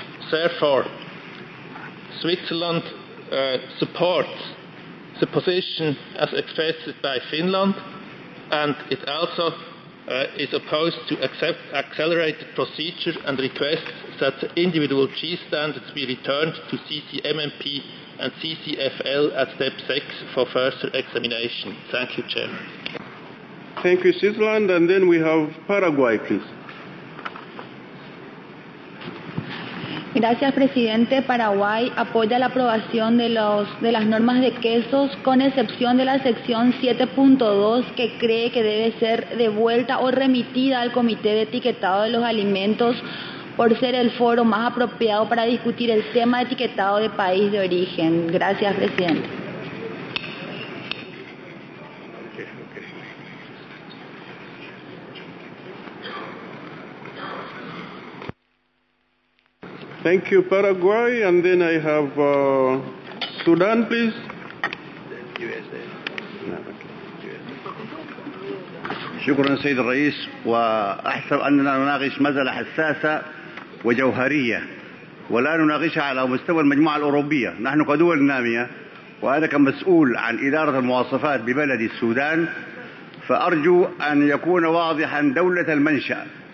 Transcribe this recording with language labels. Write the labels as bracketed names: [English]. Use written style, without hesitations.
[English] Therefore, Switzerland supports the position as expressed by Finland, and it also is opposed to accelerated procedure and requests that the individual cheese standards be returned to CCMMP and CCFL at step 6 for further examination. Thank you, Chairman. Thank you, Switzerland, and then we have Paraguay, please. [Spanish] Gracias, presidente. Paraguay apoya la aprobación de las normas de quesos, con excepción de la sección 7.2, que cree que debe ser devuelta o remitida al Comité de Etiquetado de los Alimentos por ser el foro más apropiado para discutir el tema de etiquetado de país de origen. Gracias, presidente. [English] Thank you, Paraguay, and then I have Sudan, please. [Arabic] شكرا سيد الرئيس وأحسب أننا نناقش مسألة حساسة وجوهرية ولا نناقشها على مستوى المجموعة الأوروبية. نحن كدول نامية وأنا كمسؤول عن إدارة المواصفات ببلد السودان فأرجو أن يكون واضحا دولة المنشأ.